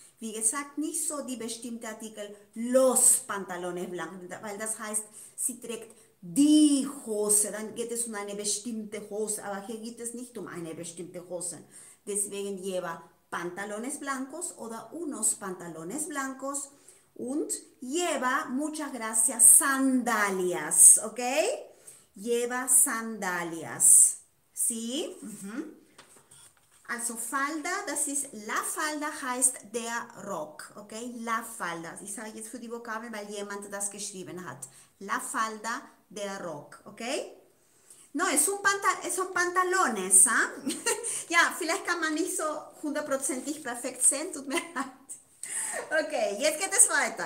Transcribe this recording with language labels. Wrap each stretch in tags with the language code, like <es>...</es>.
<de>Wie gesagt, nicht so die bestimmte Artikel,</de> <es>los pantalones blancos,</es> <de>weil das heißt, sie trägt die Hose, dann geht es um eine bestimmte Hose, aber hier geht es nicht um eine bestimmte Hose.</de> <es>Deswegen lleva pantalones blancos oder unos pantalones blancos und lleva, muchas gracias, sandalias, ¿ok? Lleva sandalias, ¿sí?</es> <de>Also Falda, das ist, la Falda heißt der Rock, ¿ok? La Falda, ich sage jetzt für die Vokabel, weil jemand das geschrieben hat. La Falda, der Rock, ¿ok?</de> <es>No, es un son pantalones, ¿ah?</es> <de>Ja, vielleicht kann man nicht so hundertprozentig perfekt sehen, tut mir leid. Okay, jetzt geht es weiter.</de>